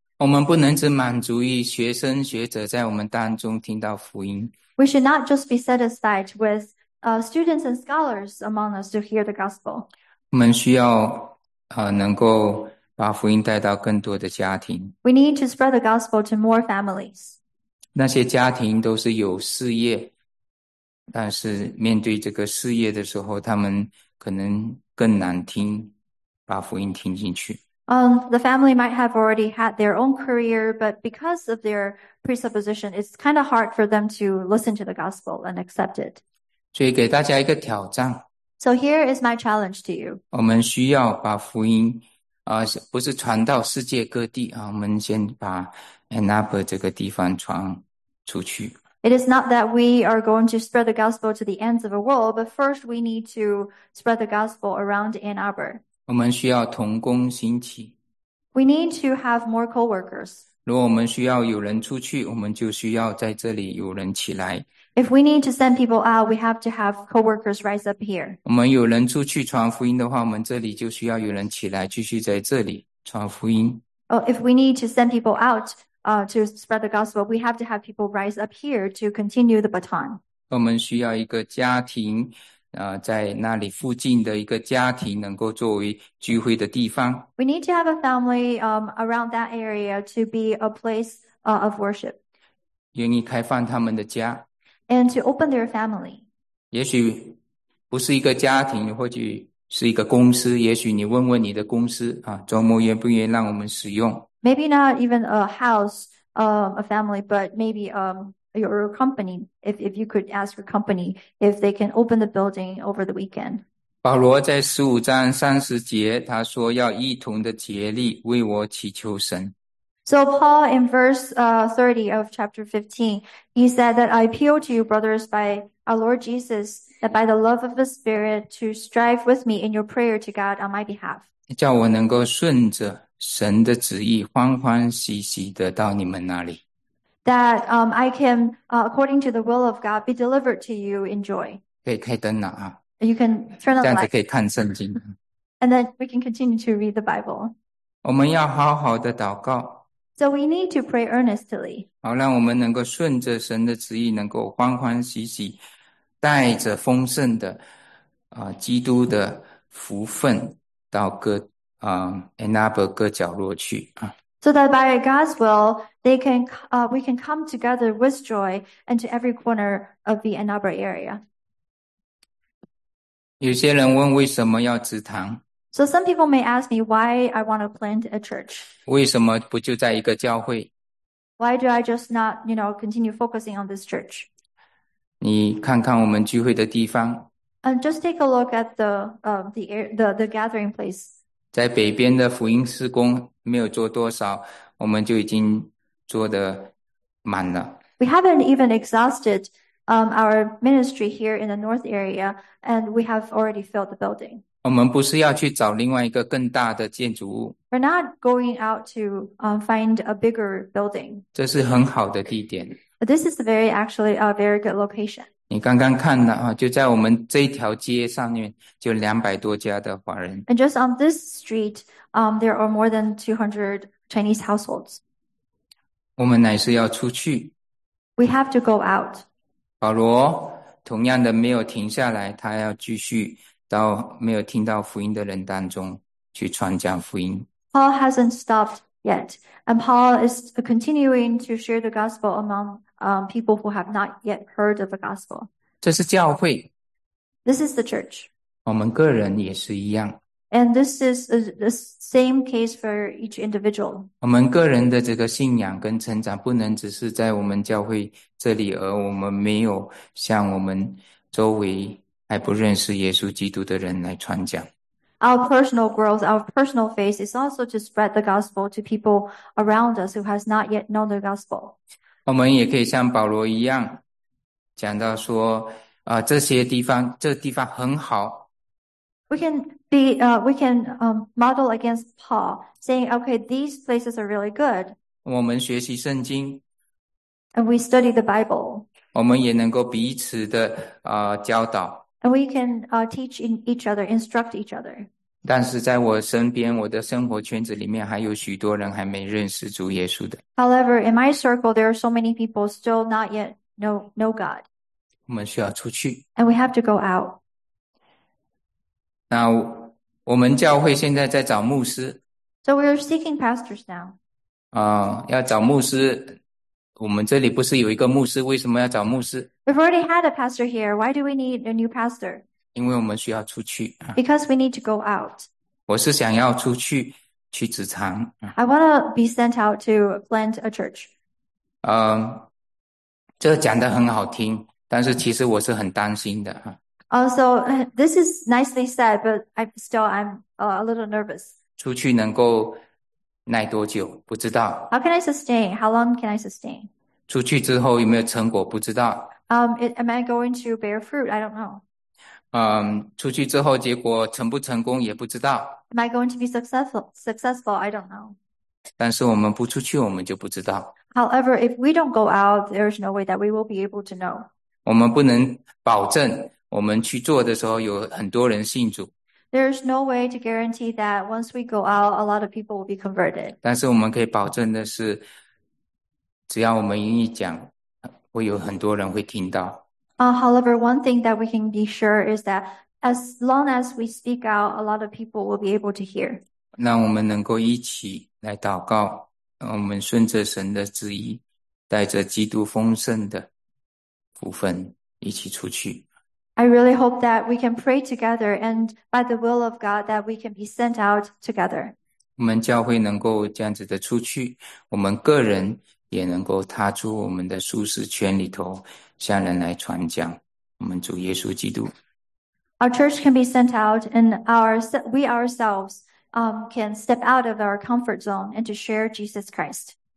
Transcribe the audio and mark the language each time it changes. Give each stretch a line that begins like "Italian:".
Chinese: 我们不能只满足于学生学者在我们当中听到福音。
English: We should not just be satisfied with students and scholars among us to hear the gospel.
Chinese: 我们需要能够把福音带到更多的家庭。
English: We need to spread the gospel to more families.
Chinese: 那些家庭都是有事业，但是面对这个事业的时候，他们可能更难听，把福音听进去。
English: The family might have already had their own career, but because of their presupposition, it's kind of hard for them to listen to the gospel and accept it.
Chinese: 所以给大家一个挑战。
English: So here is my challenge to you.
Chinese: 我们需要把福音不是传到世界各地我们先把 Annapa 这个地方传出去。
English: It is not that we are going to spread the gospel to the ends of the world, but first we need to spread the gospel around Ann Arbor.
Chinese: 我们需要同工兴起。
English: We need to have more co-workers.
Chinese: 如果我们需要有人出去，我们就需要在这里有人起来。
English: If we need to send people out, we have to have co-workers rise up here.
Chinese: 我们有人出去传福音的话，我们这里就需要有人起来继续在这里传福音。
English: If we need to send people out, to spread the gospel, we have to have people rise up here to continue the baton.
Chinese: 我们需要一个家庭，在那里附近的一个家庭能够作为聚会的地方。
English: We need to have a family, around that area to be a place, of worship.
Chinese: 愿意开放他们的家。
English: And to open their family.
Chinese: 也许不是一个家庭，或许是一个公司。也许你问问你的公司啊，周末愿不愿意让我们使用。
English: Maybe not even a house, a family, but maybe your company. If you could ask your company if they can open the building over the weekend.
Chinese: 保罗在15:30他说要一同的竭力为我祈求神。
English: So Paul, in verse 30 of chapter 15, he said that I appeal to you, brothers, by our Lord Jesus, that by the love of the Spirit, to strive with me in your prayer to God on my behalf.
Chinese: 叫我能够顺着神的旨意，欢欢喜喜地到你们那里。
English: that I can, according to the will of God, be delivered to you in joy.
Chinese: 可以开灯了啊，
English: You can turn on
Chinese: 这样
English: the
Chinese: 子可
English: light.
Chinese: 以看圣经。
English: And then we can continue to read the Bible.
Chinese: 我们要好好的祷告，
English: So we need to pray earnestly.
Chinese: 好让我们能够顺着神的旨意，能够欢欢喜喜，带着丰盛的基督的福分到各enable 各角落去啊。
English: So that by God's will, they can, we can come together with joy into every corner of the Ann Arbor area.
Chinese: 有些人问为什么要植堂？
English: So some people may ask me why I want to plant a church.
Chinese: 为什么不就在一个教会？
English: Why do I just not, continue focusing on this church?
Chinese: 你看看我们聚会的地方，
English: And just take a look at the gathering place.
Chinese: 在北边的福音事工没有做多少，我们就已经做得满了。
English: We haven't even exhausted our ministry here in the north area, and we have already filled the building.
Chinese: 我们不是要去找另外一个更大的建筑物，
English: We're not going out to find a bigger building.
Chinese: 这是很好的地点。
English: But this is a very good location.
Chinese: 你刚刚看了啊，就在我们这一条街上面，就200多家的华人。
English: And just on this street, there are more than 200 Chinese households.
Chinese: 我们乃是要出去。
English: We have to go out.
Chinese: 保罗同样的没有停下来，他要继续。到没有听到福音的人当中去传讲福音。
English: Paul hasn't stopped yet, and Paul is continuing to share the gospel among people who have not yet heard of the gospel.
Chinese: 这是教会，
English: This is the church.
Chinese: 我们个人也是一样。
English: And this is the same case for each individual.
Chinese: 我们个人的这个信仰跟成长，不能只是在我们教会这里，而我们没有向我们周围。还不认识耶稣基督的人来传讲。
English: Our personal growth, our personal faith is also to spread the gospel to people around us who has not yet known the gospel.
Chinese: 我们也可以像保罗一样，讲到说，这些地方，这地方很好。
English: We can model against Paul, saying, okay, these places are really good.
Chinese: 我们学习圣经。
English: And we study the Bible.
Chinese: 我们也能够彼此的教导。
English: And we can teach each other, instruct each other.
Chinese: 但是在我身边，我的生活圈子里面，还有许多人还没认识主耶稣的。
English: However, in my circle, there are so many people still not yet know God.
Chinese: 我们需要出去。
English: And we have to go out.
Chinese: 那我们教会现在在找牧师。
English: So we are seeking pastors now.
Chinese: 要找牧师，我们这里不是有一个牧师？为什么要找牧师？
English: We've already had a pastor here. Why do we need a new pastor?
Chinese: 因为我们需要出去啊。
English: Because we need to go out.
Chinese: 我是想要出去去职场，
English: I want to be sent out to plant a church.
Chinese: 这讲得很好听，但是其实我是很担心的哈。
English: Also, this is nicely said, but I'm a little nervous.
Chinese: 出去能够耐多久？不知道。
English: How can I sustain? How long can I sustain?
Chinese: 出去之后有没有成果？不知道。
English: Am I going to bear fruit? I don't know.
Chinese: 出去之后结果成不成功也不知道。
English: Am I going to be successful? I don't know.
Chinese: 但是我们不出去，我们就不知道。
English: However, if we don't go out, there is no way that we will be able to know.
Chinese: 我们不能保证我们去做的时候有很多人信主。
English: There is no way to guarantee that once we go out, a lot of people will be converted.
Chinese: 但是我们可以保证的是，只要我们愿意讲，会有很多人会听到。
English: However, one thing that we can be sure is that as long as we speak out, a lot of people will be able to hear.
Chinese: 让我们能够一起来祷告，让我们顺着神的旨意，带着基督丰盛的福分一起出去。
English: I really hope that we can pray together and by the will of God that we can be sent out together.
Chinese: 我们教会能够这样子的出去，我们个人也能够踏出我们的舒适圈里头，向人来传讲我们主耶稣基督。
English: Our church can be sent out, and we ourselves can step out of our comfort zone and to share Jesus Christ.